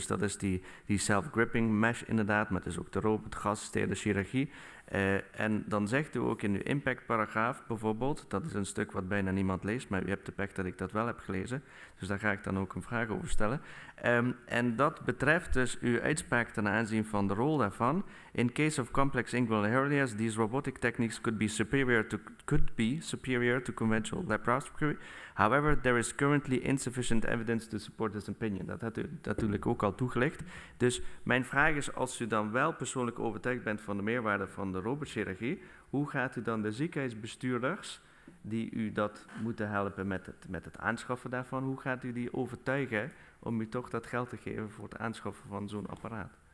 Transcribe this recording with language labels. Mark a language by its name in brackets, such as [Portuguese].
[Dutch] Dus dat is die self-gripping mesh inderdaad, maar dus ook de robot, gas, stede, chirurgie. En dan zegt u ook in uw impactparagraaf bijvoorbeeld, dat is een stuk wat bijna niemand leest, maar u hebt de pech dat ik dat wel heb gelezen. Dus daar ga ik dan ook een vraag over stellen. En dat betreft dus uw uitspraak ten aanzien van de rol daarvan. [English] In case of complex inguinal hernias, these robotic techniques could be superior to conventional laparoscopy. However, there is currently insufficient evidence to support this opinion. [Dutch] Dat had u natuurlijk ook al toegelicht. Dus mijn vraag is, als u dan wel persoonlijk overtuigd bent van de meerwaarde van de robotchirurgie, hoe gaat u dan de ziekenhuisbestuurders die u dat moeten helpen met het aanschaffen daarvan? Hoe gaat u die overtuigen om u toch dat geld te geven voor het aanschaffen van zo'n apparaat?